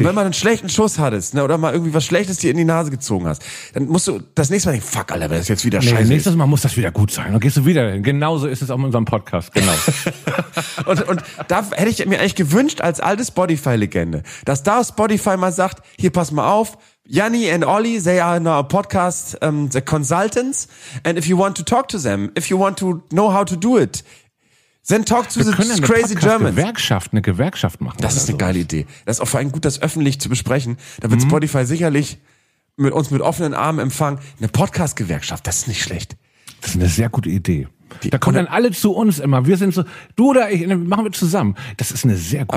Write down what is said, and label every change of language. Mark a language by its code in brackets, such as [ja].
[de] Und wenn man einen schlechten Schuss hattest, ne, oder mal irgendwie was Schlechtes dir in die Nase gezogen hast, dann musst du das nächste Mal denken, fuck, Alter, das ist jetzt wieder scheiße. Nächstes Mal muss das wieder gut sein. Dann gehst du wieder hin. Genauso ist es auch mit unserem Podcast. Genau. und da hätte ich mir eigentlich gewünscht, als alte Spotify-Legende, dass da Spotify mal sagt, hier, pass mal auf, [en] Yanni and Olli, they are in our podcast, the consultants. And if you want to talk to them, if you want to know how to do it, then talk to the crazy Germans. [de] Eine Gewerkschaft machen. Das ist eine geile Idee. Das ist auch vor allem gut, das öffentlich zu besprechen. Da wird Spotify sicherlich mit uns mit offenen Armen empfangen. Eine Podcast-Gewerkschaft, das ist nicht schlecht. Das ist eine sehr gute Idee. Da kommen dann alle zu uns immer. Wir sind so, du oder ich, machen wir zusammen. Das ist eine sehr gute Idee.